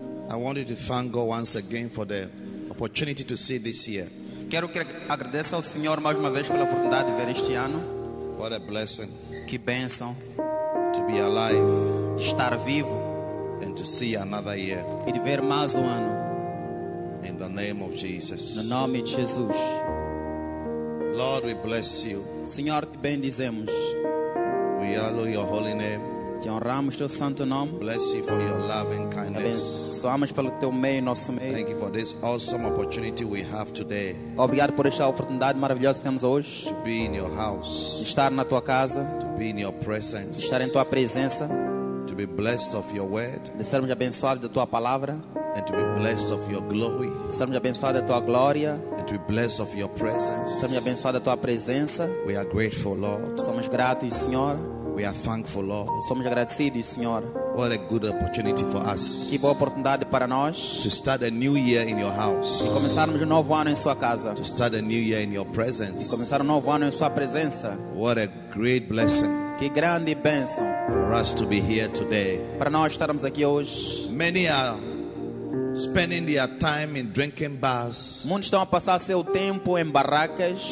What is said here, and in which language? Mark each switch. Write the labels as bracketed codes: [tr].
[en] I wanted to thank God once again for the opportunity to see this year. [pt] Quero que agradeça ao Senhor mais uma vez pela oportunidade de ver este ano. [en] What a blessing. [pt] Que bênção. [en] To be alive. [pt] De estar vivo. [en] And to see another year. [pt] E de ver mais ano. [en] In the name of Jesus. [pt] No nome de Jesus. [en] Lord, we bless you. [pt] Senhor, te bendizemos. [en] We honor your holy name. [pt] Te honramos teu santo nome. [en] Bless you for your love and kindness. [pt] Abençoamos pelo teu meio, nosso meio. [en] Thank you for this awesome opportunity we have today. [pt] Obrigado por esta oportunidade maravilhosa que temos hoje. [en] To be in your house. [pt] Estar na tua casa. [en] To be in your presence. [pt] Estar em tua presença. [en] To be blessed of your word. [pt] De sermos abençoados da tua palavra. [en] And to be blessed of your glory. [pt] De sermos abençoados da tua glória. [en] And to be blessed of your presence. [pt] De sermos abençoados da tua presença. [en] We are grateful, Lord. [pt] Somos gratos, Senhor. [en] We are thankful, Lord. [pt] Somos agradecidos, Senhor. [en] What a good opportunity for us. [pt] Que boa oportunidade para nós. [en] To start a new year in your house. [pt] E começarmos um novo ano em sua casa. [en] To start a new year in your presence. [pt] E começar um novo ano em sua presença. [en] What a great blessing. [pt] Que grande bênção. [en] For us to be here today. [pt] Para nós estarmos aqui hoje. [en] Many are spending their time in drinking bars. [pt] Muitos estão a passar seu tempo em barracas.